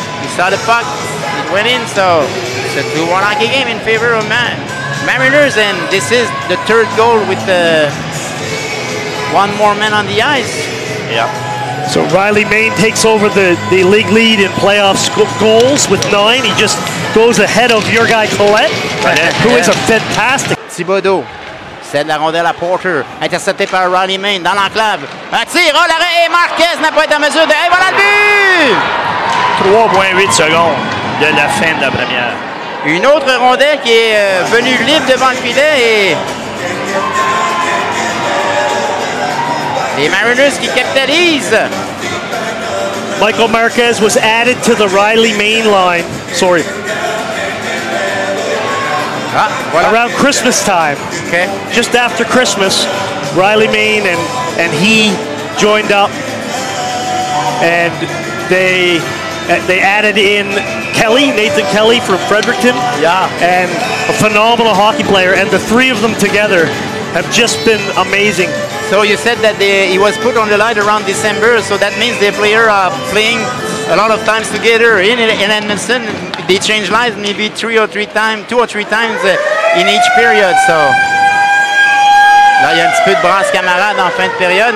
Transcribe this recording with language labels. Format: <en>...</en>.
<en>He saw the puck, it went in, so it's a 2-1 hockey game in favor of Mariners, and this is the third goal with one more man on the ice. Yeah. So Riley Mayne takes over the league lead in playoff goals with 9. He just goes ahead of your guy Colette, who is a fantastic.</en> <fr>Thibodeau cède la rondelle à Porter, intercepté par Riley Mayne dans l'enclave. Un tir, oh l'arrêt, et Marquez n'a pas été en mesure de. Et voilà le but! 3,8 secondes de la fin de la première. Une autre rondelle qui est venue libre devant le filet et. Les Mariners qui capitalisent.</fr> <en>Michael Marquez was added to the Riley Mayne line. Sorry.</en> <fr>Voilà.</fr> <en>Around Christmas time. Okay. Just after Christmas, Riley Mayne and he joined up. And they added in Kelly, Nathan Kelly from Fredericton. Yeah. And a phenomenal hockey player. And the three of them together have just been amazing. So you said that he was put on the line around December, so that means the player are playing a lot of times together in Edmondson. They change lines maybe two or three times in each period.</en> <fr>So là il y a un petit peu de brasse camarade en fin de période.</fr>